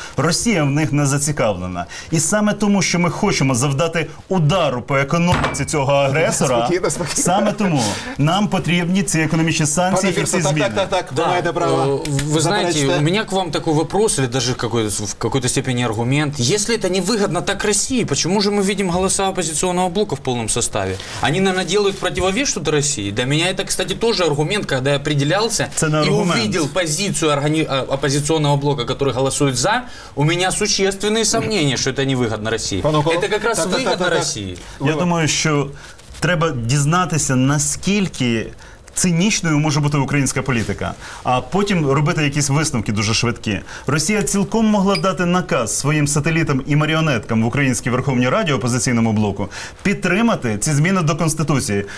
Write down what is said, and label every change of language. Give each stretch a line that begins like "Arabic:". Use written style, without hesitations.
Ukrainian: Росія в них не зацікавлена. І саме тому, що ми хочемо завдати удару по економіці цього агресора, спокійно, спокійно. Саме тому нам потрібні ці економічні санкції Фірсо, і ці зміни. Так, так, так, ви маєте право. Ви знаєте, у мене к вам такий вопрос, і навіть
Russian: в какой-то степени
Ukrainian: аргумент.
Russian: Если это невыгодно так России, почему же мы видим голоса оппозиционного блока в полном составе? Они, наверное, делают противовес что-то России. Для меня это, кстати, тоже аргумент, когда я определялся и увидел позицию оппозиционного блока, который голосует за, у меня существенные сомнения, что это невыгодно России. Это как раз выгодно России.
Ukrainian: Я думаю, что треба дізнатися, наскільки цинічною може бути українська політика, а потім робити якісь висновки дуже швидкі. Росія цілком могла дати наказ своїм сателітам і маріонеткам в українській Верховній Раді, опозиційному блоку, підтримати ці зміни до Конституції.